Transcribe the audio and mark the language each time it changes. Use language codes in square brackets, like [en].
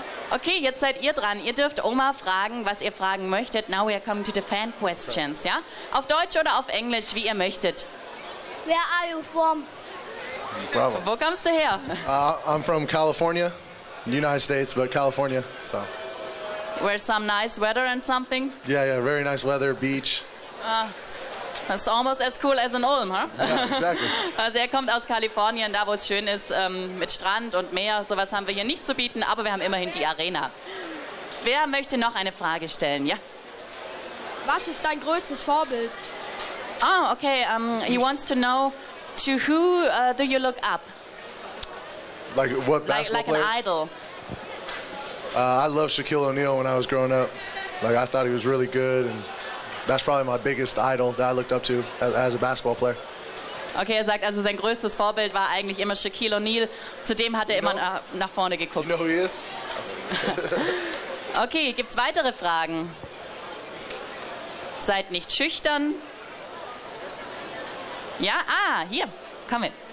[de] Okay, jetzt seid ihr dran. Ihr dürft Oma fragen, was ihr fragen möchtet. [en] Now we are coming to the fan questions, ja? [de] Auf Deutsch oder auf Englisch, wie ihr möchtet. [en] Where are you from? [de] Bravo. Wo kommst du her? [en] I'm from California, United States, but California, so. Where's some nice weather and something? Yeah, very nice weather, beach. That's almost as cool as in Ulm, huh? Yeah, exactly. [de] Also er kommt aus Kalifornien, da wo es schön ist, mit Strand und Meer. Sowas haben wir hier nicht zu bieten, aber wir haben immerhin die Arena. Wer möchte noch eine Frage stellen, ja? Was ist dein größtes Vorbild? [en] Oh, okay, he wants to know, to who do you look up? Like what basketball players? Like an idol. I loved Shaquille O'Neal when I was growing up. Like, I thought he was really good, and that's probably my biggest idol that I looked up to as a basketball player. [de] Okay, er sagt, also sein größtes Vorbild war eigentlich immer Shaquille O'Neal. Zudem hat er immer nach vorne geguckt. [en] You know who he is? [de] Okay, gibt's weitere Fragen? Seid nicht schüchtern. Ja, hier, komm mit.